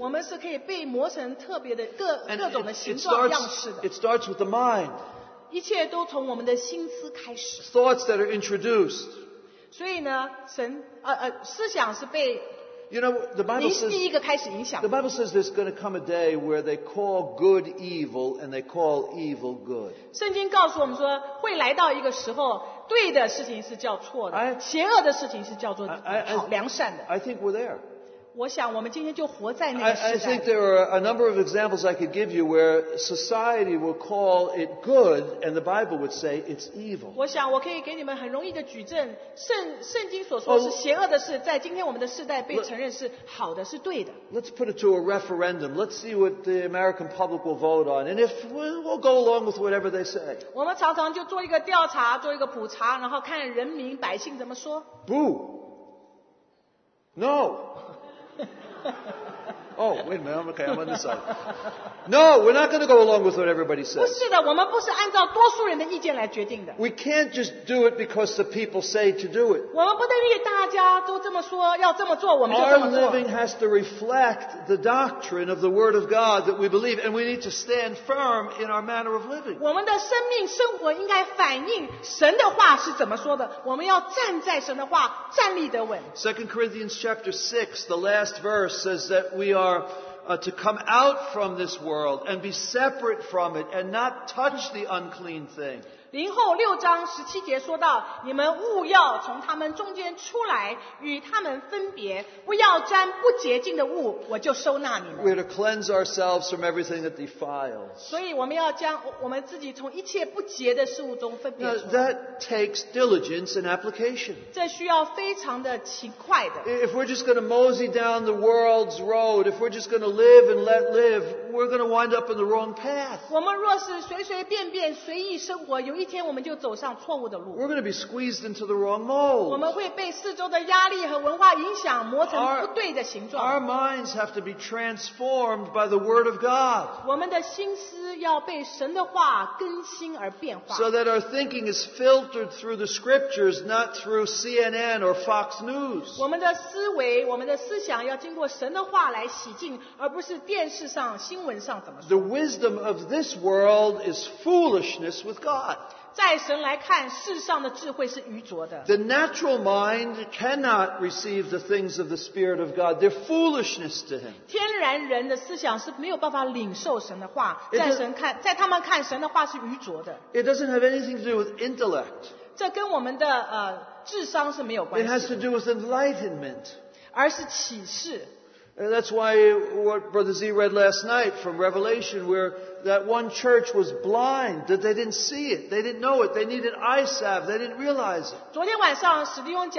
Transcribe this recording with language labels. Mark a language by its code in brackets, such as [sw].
[zh] 我们是可以被磨成特别的各种的形状样式的。 [en] It starts with the mind. [zh] 一切都从我们的心思开始。 [en] Thoughts that are introduced. [zh] 所以呢，思想是被。 [en] You know, the Bible says, there's going to come a day where they call good evil and they call evil good. [zh] 圣经告诉我们说，会来到一个时候，对的事情是叫错的，邪恶的事情是叫做良善的。 [en] I think we're there. [zh] 我想我们今天就活在那个时代。 [en] I think there are a number of examples I could give you where society will call it good and the Bible would say it's evil. [zh] 我想我可以给你们很容易的举证，圣经所说是邪恶的事，在今天我们的世代被承认是好的，是对的。 [en] Let's put it to a referendum. Let's see what the American public will vote on. And if we'll go along with whatever they say. [zh] 我们常常就做一个调查，做一个普查，然后看人民百姓怎么说。 [en] Boo. No. Oh, wait a minute. Okay, I'm on this side. No, we're not going to go along with what everybody says. [zh] 不是的, 我们不是按照多数人的意见来决定的。 [en] We can't just do it because the people say to do it. [zh] 我们不能因为大家都这么说, 要这么做, 我们就这么做。 [en] Our living has to reflect the doctrine of the Word of God that we believe, and we need to stand firm in our manner of living. [zh] 我们的生命, 生活应该反映神的话是怎么说的, 我们要站在神的话, 站立得稳。 [en] 2 Corinthians chapter 6, the last verse, says that we are to come out from this world and be separate from it and not touch the unclean thing. [zh] 零后六章十七节说到, 你们务要从他们中间出来, 与他们分别, 不要沾不洁净的物, 我就收纳你们。 [en] We're to cleanse ourselves from everything that defiles. [zh] 所以我们要将我们自己从一切不洁的事物中分别出来。 [en] Now, that takes diligence and application. [zh] 这需要非常的勤快的。 [en] If we're just going to mosey down the world's road, if we're just going to live and let live, we're going to wind up in the wrong path. [zh] 我们若是随随便便, 随意生活, 有一天我们就走上错误的路。 [en] We're going to be squeezed into the wrong mold. [zh] 我们会被四周的压力和文化影响磨成不对的形状。 [en] Our minds have to be transformed by the Word of God. [zh] 我们的心思要被神的话更新而变化。 [en] So that our thinking is filtered through the Scriptures, not through CNN or Fox News. [zh] 我们的思维, 我们的思想要经过神的话来洗净, 而不是电视上新闻上怎么说。 [en] The wisdom of this world is foolishness with God. [zh] 在神来看, [en] the natural mind cannot receive the things of the Spirit of God. They're foolishness to him. [zh] 天然人的思想是没有办法领受神的话。在神看，在他们看神的话是愚拙的。 [en] It doesn't have anything to do with intellect. [zh] 这跟我们的, 智商是没有关系的。 [en] It has to do with enlightenment. [zh] 而是启示。 [en] And that's why what Brother Z read last night from Revelation, where that one church was blind, that they didn't see it, they didn't know it, they needed eye salve, they didn't realize it.